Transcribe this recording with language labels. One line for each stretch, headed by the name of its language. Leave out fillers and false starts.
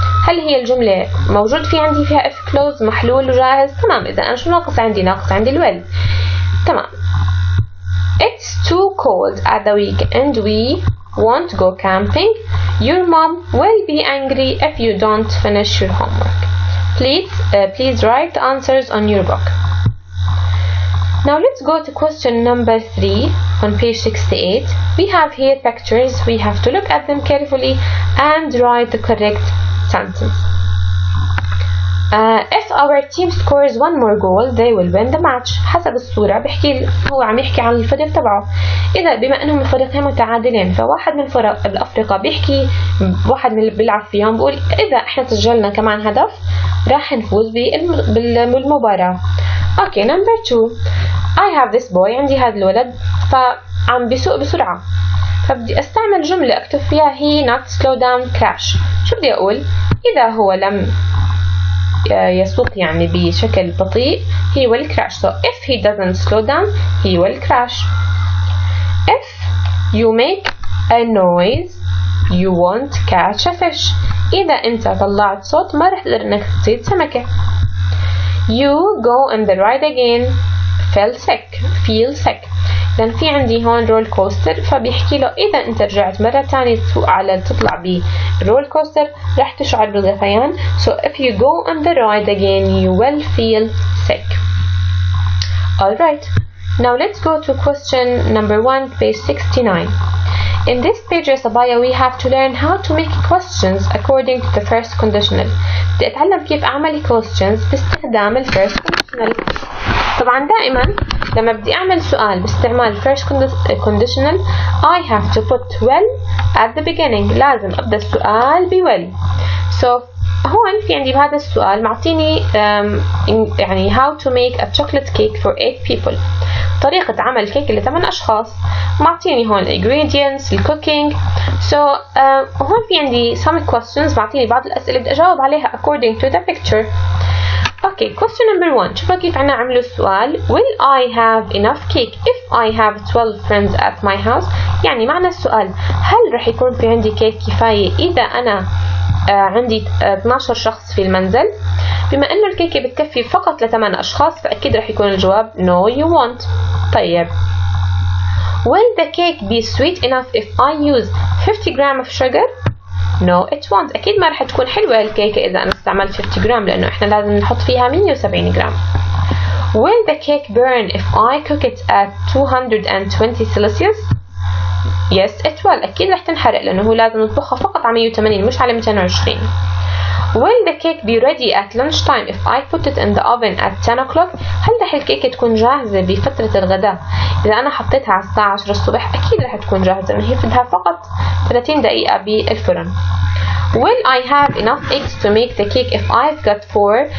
Arabic: هل هي الجمله موجود في عندي فيها اف كلوز محلول وجاهز؟ تمام. اذا انا شو ناقص عندي؟ ناقص عندي الويل. تمام.
English: It's too cold at the weekend, we won't go camping. Your mom will be angry if you don't finish your homework. Please write the answers on your book. Now let's go to question number 3 on page 68. We have here pictures. We have to look at them carefully and write the correct sentence. If our team scores one more goal, they will win the match.
Arabic: حسب الصورة بحكي هو عم يحكي عن الفريق تبعه. إذا بما أنهم الفريقين متعادلين فواحد من الفرق الأفريقا بيحكي واحد من اللي بيلعب فيهم بقول إذا إحنا سجلنا كمان هدف راح نفوز بالمباراة.
English: Okay, number two. I have this boy.
Arabic: عندي هذا الولد فعم بيسوق بسرعة. فبدي أستعمل جملة أكتب فيها
English: he not slow down crash.
Arabic: شو بدي أقول؟ إذا هو لم يسوق يعني بشكل بطيء
English: he will crash. So if he doesn't slow down he will crash. If you make a noise you won't catch a fish.
Arabic: إذا أنت طلعت صوت ما رح تقدر أنك تصيد سمكة.
English: You go on the ride again feel sick.
Arabic: لأن في عندي هون رول كوستر فبيحكي له إذا أنت رجعت مرة تانية تسوق على تطلع برول كوستر رح تشعر بالغثيان.
English: So if you go on the ride again you will feel sick. Alright, now let's go to question number 1 page 69. In this page
Arabic: يا صبايا
English: we have to learn how to make questions according to the first conditional.
Arabic: بدي أتعلم كيف أعمل questions باستخدام ال first conditional. طبعا دائما لما بدي أعمل سؤال باستعمال
English: first conditional I have to put well at the beginning.
Arabic: لازم أبدأ السؤال بwell.
English: So
Arabic: هون في عندي بهذا السؤال معطيني يعني
English: how to make a chocolate cake for 8 people.
Arabic: طريقة عمل كيك لثمان أشخاص. معطيني هون
English: ingredients, the cooking.
Arabic: So هون في عندي some questions معطيني بعض الأسئلة بدي أجاوب عليها
English: according to the picture. Okay, question number 1.
Arabic: شوفوا كيف عنا عملوا السؤال.
English: Will I have enough cake if I have 12 friends at my house?
Arabic: يعني معنى السؤال هل رح يكون في عندي كيك كفاية إذا أنا عندي 12 شخص في المنزل؟ بما أنه الكيكة بتكفي فقط لثمان أشخاص فأكيد رح يكون الجواب
English: No, you won't.
Arabic: طيب.
English: Will the cake be sweet enough if I use 50 grams of sugar? No, it won't.
Arabic: أكيد ما رح تكون حلوة الكيكة إذا أنا استعملت 50 جرام لأنه إحنا لازم نحط فيها 170 جرام.
English: Will the cake burn if I cook it at 220 Celsius? Yes, it will.
Arabic: أكيد رح تنحرق لأنه هو لازم نطبخها فقط على 180 مش على 220.
English: Will the cake be ready at lunchtime if I put it in the oven at 10 o'clock?
Arabic: هل رح الكيكة تكون جاهزة بفترة الغداء؟ إذا أنا حطيتها على الساعة 10 الصبح أكيد رح تكون جاهزة لأنه هي بدها فقط 30 دقيقة بالفرن.
English: Will I have enough eggs to make the cake if I've got 4?